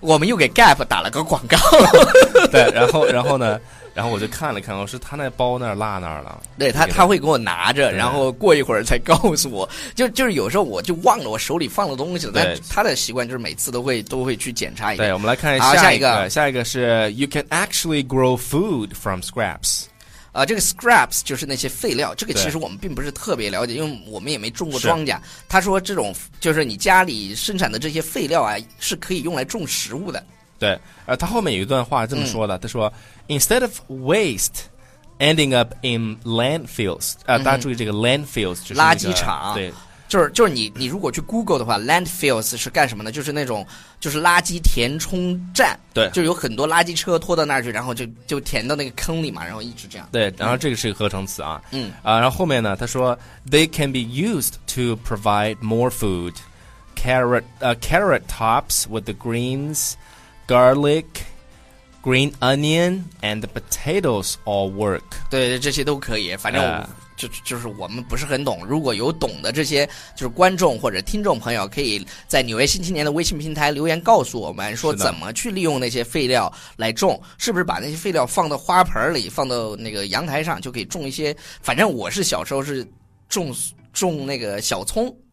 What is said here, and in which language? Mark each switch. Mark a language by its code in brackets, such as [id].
[zh] 我们又给 Gap 打了个广告。对，然后呢，然后我就看了看，我说他那包那儿落那儿了。对他会给我拿着，然后过一会儿才告诉我。就是有时候我就忘了我手里放了东西了。对，但他的习惯就是每次都会去检查一下。对，我们来看下一个 [en] 是 You can actually grow food from scraps。 [zh] 这个 scraps 就是那些废料，这个其实我们并不是特别了解，因为我们也没种过庄稼。他说这种就是你家里生产的这些废料啊，是可以用来种食物的。对，他后面有一段话这么说的，他、嗯、说 [en] instead of waste ending up in landfills， [zh] 大家注意这个 landfills 就是、那个、垃圾场，对。就是你如果去 Google 的话 ，landfills 是干什么呢？就是那种就是垃圾填充站，对，就有很多垃圾车拖到那儿去，然后就填到那个坑里嘛，然后一直这样。对，然后这个是一个合成词啊，嗯啊，然后后面呢，他说 [en] they can be used to provide more food， carrot tops with the greens, garlic, green onion, and the potatoes all work. [zh] 对，这些都可以，反正就是我们不是很懂，如果有懂的这些就是观众或者听众朋友，可以在纽约新青年的微信平台留言告诉我们，说怎么去利用那些废料来种，是不是把那些废料放到花盆里，放到那个阳台上就可以种一些，反正我是小时候是种那个小葱，